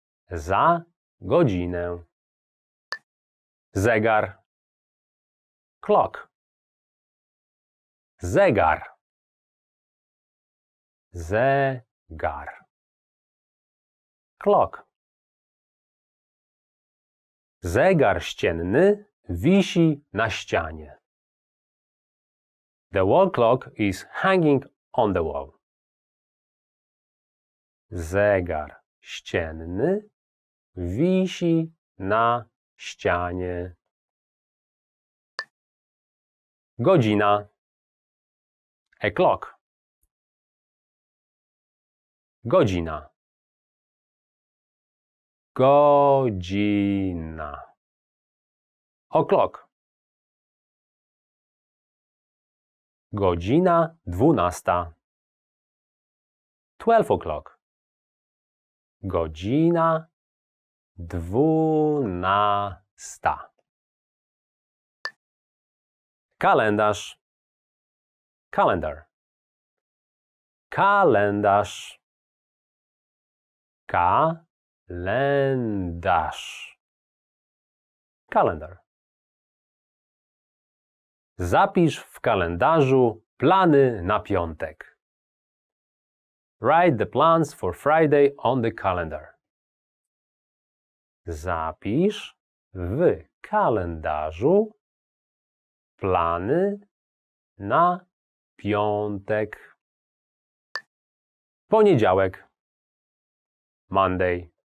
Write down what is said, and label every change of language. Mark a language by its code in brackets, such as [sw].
[pl] Za godzinę. Zegar. [en] Clock. [pl] Zegar. Zegar. [en] Clock. [pl] Zegar ścienny wisi na ścianie. [en] The wall clock is hanging on the wall. [pl] Zegar ścienny wisi na ścianie. Godzina. [en] A clock. [pl] Godzina. Godzina. [en] O'clock. [pl] Godzina dwunasta. [en] 12 o'clock. [pl] Godzina dwunasta. Kalendarz. [en] Calendar. [pl] Kalendarz. Kalendarz. [en] Kalendar. [pl] Zapisz w kalendarzu plany na piątek. [en] Write the plans for Friday on the calendar. [pl] Zapisz w kalendarzu plany na piątek. Poniedziałek. [en] Monday.